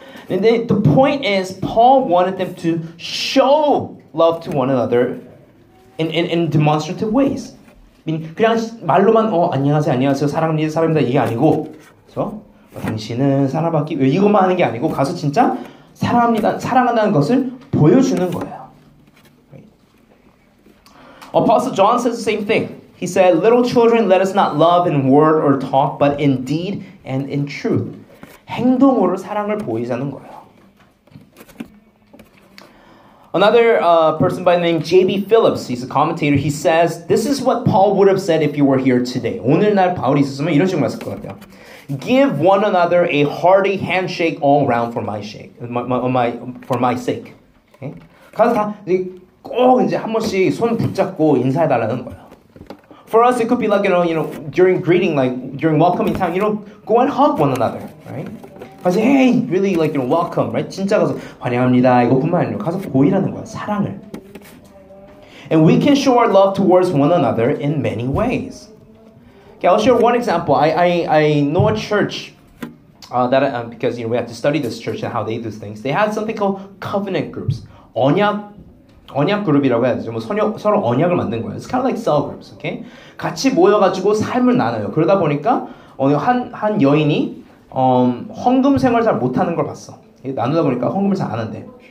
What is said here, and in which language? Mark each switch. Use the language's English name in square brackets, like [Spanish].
[English] And the point is, Paul wanted them to show love to one another in demonstrative ways. I mean, [Korean] 그냥 말로만 안녕하세요, 안녕하세요, 사랑합니다, 사랑합니다 이게 아니고, 그래서 당신은 사랑받기 이것만 하는 게 아니고 가서 진짜 사랑합니다, 사랑한다는 것을 보여주는 거예요. [English] Apostle John says the same thing. He said, little children, let us not love in word or talk, but in deed and in truth. [Korean] 행동으로 사랑을 보이자는 거예요. [English] Another person by the name J.B. Phillips, he's a commentator, he says, this is what Paul would have said if you were here today. [Korean] 오늘날 바울이 있었으면 이런 식으로 말했을 것 같아요. [English] Give one another a hearty handshake all round for my sake. Okay? [Korean] 가서 다 꼭 이제 한 번씩 손 붙잡고 인사해달라는 거예요. [English] For us, it could be like, you know, during greeting, like during welcoming time, you know, go and hug one another, right? I say, hey, really, like, you know, welcome, right? [Korean] 진짜 가서 환영합니다. 이것뿐만 아니라 가서 보이라는 거야, 사랑을. [English] And we can show our love towards one another in many ways. Okay, I'll share one example. I know a church because, you know, we have to study this church and how they do things. They had something called covenant groups. [Korean] 언약 그룹이라고 해야 되죠. 뭐 서로 언약을 만든 거예요. [English] It's kind of like cell groups, okay? [Korean] 같이 모여가지고 삶을 나눠요. 그러다 보니까 한 여인이 헌금생활 잘 못하는 걸 봤어. 나누다 보니까 헌금을 잘 안 한대.